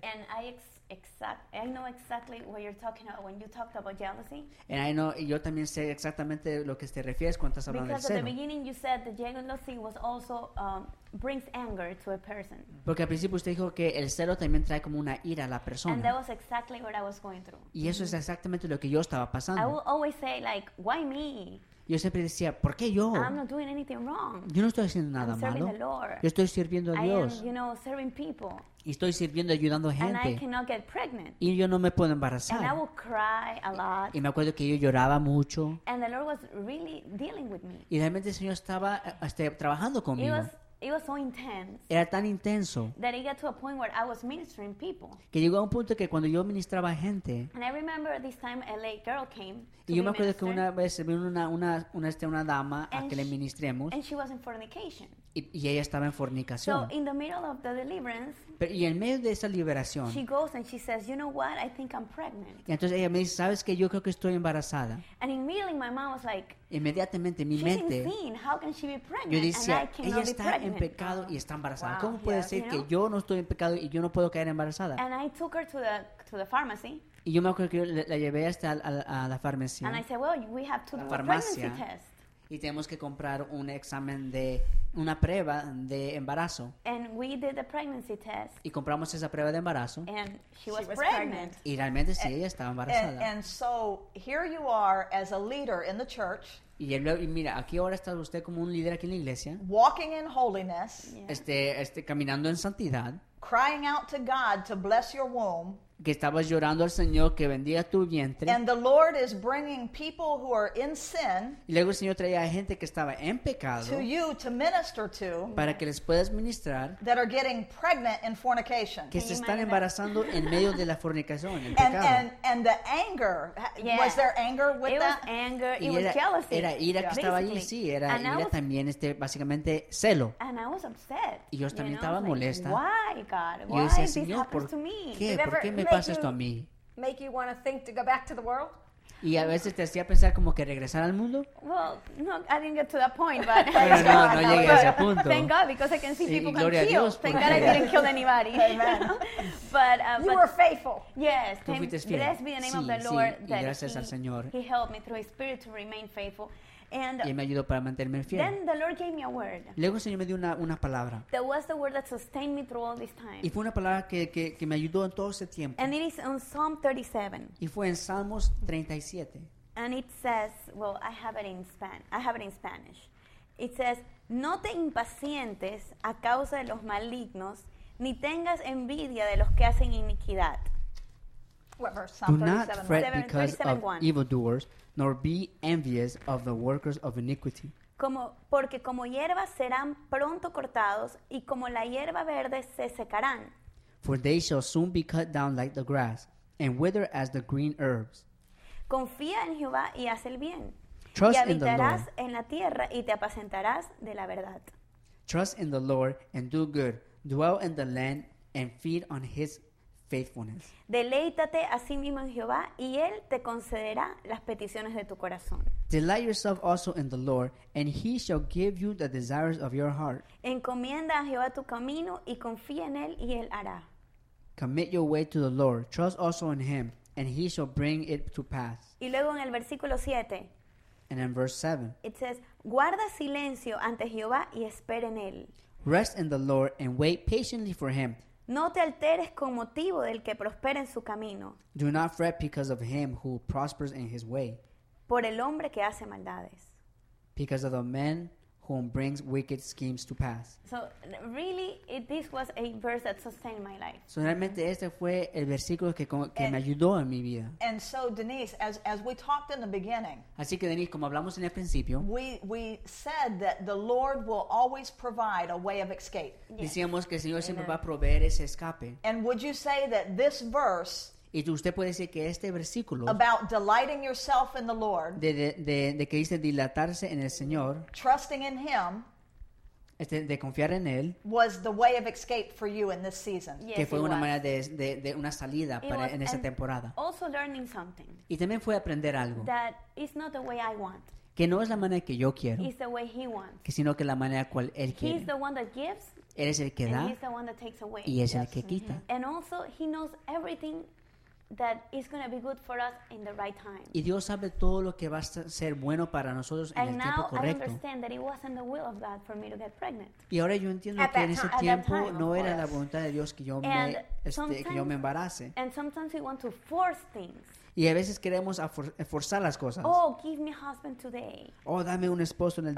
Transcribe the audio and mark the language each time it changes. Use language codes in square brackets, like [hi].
[en] And I know exactly what you're talking about when you talked about jealousy. And I know, [es] yo también sé exactamente lo que te refieres cuando estás hablando del celo. [en] Because at the beginning you said that jealousy was also brings anger to a person. [es] Porque al principio usted dijo que el celo también trae como una ira a la persona. [en] And that was exactly what I was going through. [es] Y eso es exactamente lo que yo estaba pasando. [en] I would always say like, why me? [es] Yo siempre decía, ¿por qué yo? [en] I'm not doing anything wrong. [es] Yo no estoy haciendo nada malo. [en] I'm serving the Lord. [es] Yo estoy sirviendo a Dios. [en] I am, you know, serving people. [es] Y estoy sirviendo, ayudando a gente. [en] And I cannot get pregnant. [es] Y yo no me puedo embarazar. [en] And I will cry a lot. [es] Y me acuerdo que yo lloraba mucho. [en] And the Lord was really dealing with me. [es] Y realmente el Señor estaba trabajando conmigo. [en] It was, It was so intense. [es] Era tan intenso. [en] That it got to a point where I was ministering people. [es] Que llegó a un punto que cuando yo ministraba gente. [en] And I remember this time a late girl came. [es] Y yo me acuerdo que una vez vino una dama a que le ministremos. [en] And she was in fornication. [es] Y ella estaba en fornicación. [en] So in the middle of the deliverance. [es] Pero y en medio de esa liberación. [en] She goes and she says, "You know what? I think I'm pregnant." [es] Y entonces ella me dice, "¿Sabes qué? Yo creo que estoy embarazada." [en] And immediately my mom was like, [es] inmediatamente mi mente, [en] how can she be pregnant? [es] Yo decía, ella está en pecado y está embarazada. Wow, ¿cómo puede ser que yo no estoy en pecado y yo no puedo caer embarazada? [en] And I took her to the pharmacy. [es] Y yo me acuerdo que la llevé hasta a la farmacia. [en] And I said, well, we have to do a pregnancy test. [es] Y tenemos que comprar un examen de una prueba de embarazo. [en] And we did the pregnancy test. [es] Y compramos esa prueba de embarazo. [en] And she was pregnant. [es] Y realmente sí, ella estaba embarazada. [en] And so here you are as a leader in the church. [es] Y mira, aquí ahora está usted como un líder aquí en la iglesia. [en] Walking in holiness. [es] Este caminando en santidad. [en] Crying out to God to bless your womb. [es] Que estabas llorando al Señor que bendiga tu vientre. [en] And the Lord is bringing people who are in sin. [es] Y luego el Señor traía gente que estaba en pecado. [en] To you to minister to. [es] Para que les puedas ministrar. [en] That are getting pregnant in fornication. [es] Que se están embarazando en medio de la fornicación, en pecado. [en] And the anger. Yeah. Was there anger with it that? It was anger. It was jealousy. [es] Era ira que estaba allí. Sí, era ira también, básicamente celo. [en] And I was upset. [es] Y yo también estaba molesta. [en] Why, God? Why this happens to me? [es] ¿Qué? ¿Por qué me pasa esto a mí? [en] Make you want to think to go back to the world? [es] Y a veces te hacía pensar como que regresar al mundo. [en] Well, no, I didn't get to that point, but [es] pero no llegué a ese punto. [en] Thank God, because I can see people got healed. Thank God I didn't kill anybody. Amen. But were faithful. Yes, [es] tú fuiste fiel. [en] Blessed be the name [es] sí, [en] of the [es] sí, [en] Lord. [es] Y gracias al Señor. [en] He helped me through His Spirit to remain faithful. And [es] y me ayudó para mantenerme fiel. [en] Then the Lord gave me a word. [es] Luego el Señor me dio una palabra. [en] That was the word that sustained me through all this time. [es] Y fue una palabra que me ayudó en todo ese tiempo. [en] And it is on Psalm 37. [es] Y fue en Salmos 37. [en] And it says, well, I have it in Spanish. It says, [es] no te impacientes a causa de los malignos, ni tengas envidia de los que hacen iniquidad. [en] What verse? Psalm 37. Do not fret because of evildoers, nor be envious of the workers of iniquity. [es] Porque como hierba serán pronto cortados, y como la hierba verde se secarán. [en] For they shall soon be cut down like the grass, and wither as the green herbs. [es] Confía en Jehová y haz el bien. [en] Trust in the Lord. [es] Y habitarás en la tierra y te apacentarás de la verdad. [en] Trust in the Lord and do good. Dwell in the land and feed on His faithfulness. [es] Deleítate a sí mismo en Jehová y Él te concederá las peticiones de tu corazón. [en] Delight yourself also in the Lord, and He shall give you the desires of your heart. [es] Encomienda a Jehová tu camino y confía en Él y Él hará. [en] Commit your way to the Lord, trust also in Him, and He shall bring it to pass. [es] Y luego en el versículo 7. [en] And in verse 7. It says, [es] guarda silencio ante Jehová y espera en Él. [en] Rest in the Lord and wait patiently for Him. [es] No te alteres con motivo del que prospera en su camino. [en] Do not fret because of him who prospers in his way. [es] Por el hombre que hace maldades. [en] Because of the man who brings wicked schemes to pass. So really, this was a verse that sustained my life. [es] So realmente este fue el versículo que me ayudó en mi vida. [en] And so Denise, as we talked in the beginning. [es] Así que Denise, como hablamos en el principio. [en] We said that the Lord will always provide a way of escape. [es] Decíamos que el Señor siempre va a proveer ese escape. [en] And would you say that this verse? [es] Y usted puede decir que este versículo [en] about delighting yourself in the Lord, [es] de que dice dilatarse en el Señor, [en] trusting in Him, [es] de confiar en Él, [en] was the way of escape for you in this season. Yes, [es] que fue una [en] was. [es] Manera de una salida para, [en] was, [es] en esa temporada. [en] Also learning something, [es] y también fue aprender algo. [en] That is not the way I want. [es] Que no es la manera que yo quiero. [en] It's the way He wants. [es] Que sino que la manera cual Él quiere. [en] He's the one that gives, [es] él es el que da. [en] And He's the one that takes away. [es] Y es el que quita. Mm-hmm. [en] And also He knows everything that is going to be good for us in the right time. [es] Y Dios sabe todo lo que va a ser bueno para nosotros en [en] and [es] el tiempo correcto. [en] And now I understand that it wasn't the will of God for me to get pregnant. [es] Y ahora yo entiendo [en] at [es] que en ese tiempo [en] time, [es] no era la voluntad de Dios que yo me embarace. [en] And sometimes we want to force things. [es] Y a veces queremos forzar las cosas. [en] Oh, give me a husband today. [es] Oh, dame un esposo en el